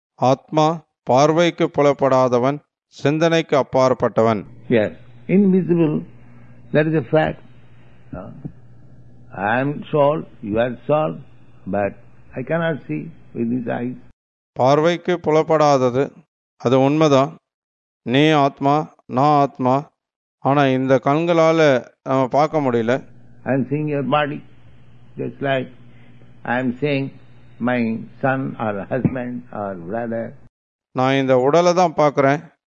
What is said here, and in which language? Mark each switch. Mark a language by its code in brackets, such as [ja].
[ta] ஆத்மா பார்வைக்கு புலப்படாதவன், சிந்தனைக்கு அப்பாற்பட்டவன். [en] Yes, invisible, that is a fact. I am soul, you are soul, but I cannot see with these eyes. [ta] பார்வைக்கு புலப்படாதது அது உண்மைதான். நீ ஆத்மா, நான் ஆத்மா, ஆனா இந்த கண்களால நம்ம பார்க்க முடியல. [en] I am seeing your body, just like I am seeing my son or husband or brother. [ta] நான் இந்த உடலை தான் பார்க்கறேன்.